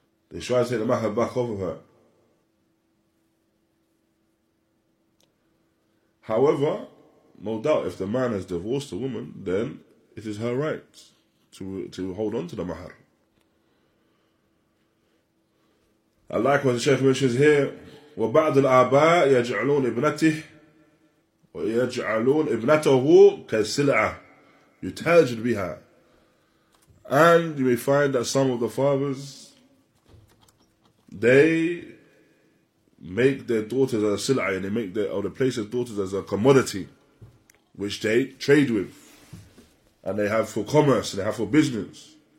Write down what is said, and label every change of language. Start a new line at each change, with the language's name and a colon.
English: They strive to take the mahar back off of her. However, no doubt, if the man has divorced the woman, then it is her right to hold on to the mahar. And likewise, the Shaykh mentions here,
Arabic: وبعض الآباء يجعلون ابنته ويجعلون ابنته كسلعة يتاجر بها.
English: And you may find that some of the fathers, they make their daughters as a sila, and they make their, or they place their daughters as a commodity, which they trade with, and they have for commerce, and they have for business.